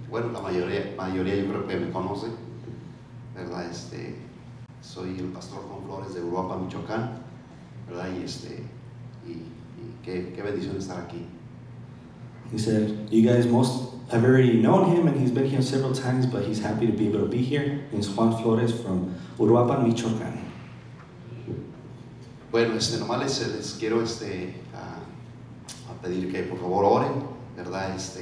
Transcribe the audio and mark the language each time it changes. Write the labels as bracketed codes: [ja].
[es] Bueno, la mayoría yo creo que me conoce, ¿verdad? Soy el pastor Juan Flores de Uruapan, Michoacán, ¿verdad? Y qué bendición estar aquí. [en] He said, you guys most have already known him, and he's been here several times, but he's happy to be able to be here. He's Juan Flores from Uruapan, Michoacán. [es] Bueno, nomás les quiero a pedir que por favor oren, ¿verdad?